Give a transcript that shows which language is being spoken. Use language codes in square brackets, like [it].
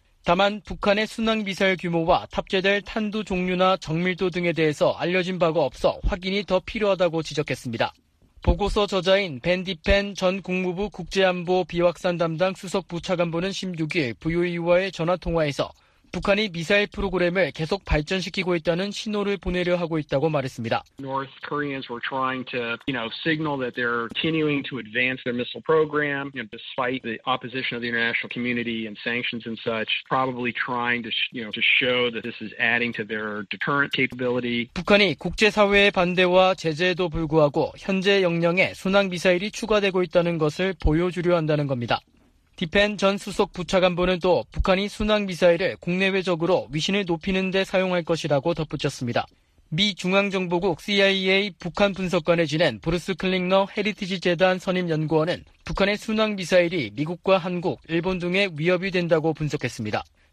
[ko] 다만 북한의 순항미사일 규모와 탑재될 탄두 종류나 정밀도 등에 대해서 알려진 바가 없어 확인이 더 필요하다고 지적했습니다. 보고서 저자인 벤 디펜 전 국무부 국제안보 비확산 담당 수석부차관보는 16일 VOA와의 전화통화에서 북한이 미사일 프로그램을 계속 발전시키고 있다는 신호를 보내려 하고 있다고 말했습니다. [en] North Koreans were trying to, you know, signal that they're continuing to advance their missile program, you know, despite the opposition of the international community and sanctions and such, probably trying to, you know, to show that this is adding to their deterrent capability. [ko] 북한이 국제사회의 반대와 제재에도 불구하고 현재 역량에 순항 미사일이 추가되고 있다는 것을 보여주려 한다는 겁니다. 디펜 전 수석 부차관보는 또 북한이 순항미사일을 국내외적으로 위신을 높이는 데 사용할 것이라고 덧붙였습니다. 미 중앙정보국 CIA 북한 분석관에 지낸 브루스 클링너 헤리티지 재단 선임연구원은 북한의 순항미사일이 미국과 한국, 일본 등에 위협이 된다고 분석했습니다.